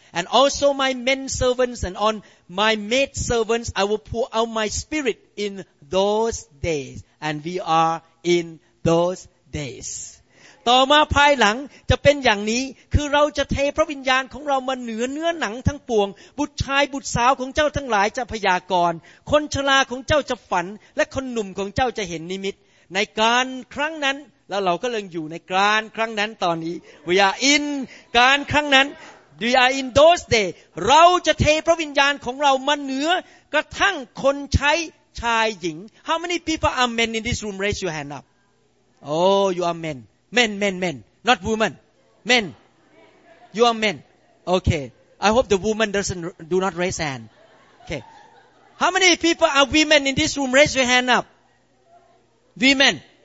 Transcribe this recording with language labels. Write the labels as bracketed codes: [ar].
[en] And also my men servants and on my maid servants, I will pour out my spirit in those days. And we are in those days. [th] ต่อมาภายหลังจะเป็นอย่างนี้คือเราจะเทพระวิญญาณของเรามาเหนือเนื้อหนังทั้งปวงบุตรชายบุตรสาวของเจ้าทั้งหลายจะพยากรณ์คนชราของเจ้าจะฝันและคนหนุ่มของเจ้าจะเห็นนิมิตในการครั้งนั้นแล้วเราก็เริ่มอยู่ในการครั้งนั้นตอนนี้ [en] We are in [th] การครั้งนั้น [en] We are in those days [th] เราจะเทพระวิญญาณของเรามาเหนือกระทั่งคนใช้ชายหญิง [en] How many people are men in this room? Raise your hand up Oh, you are men Men Not women Men You are men Okay I hope the woman do not raise hand Okay How many people are women in this room? Raise your hand upWomen,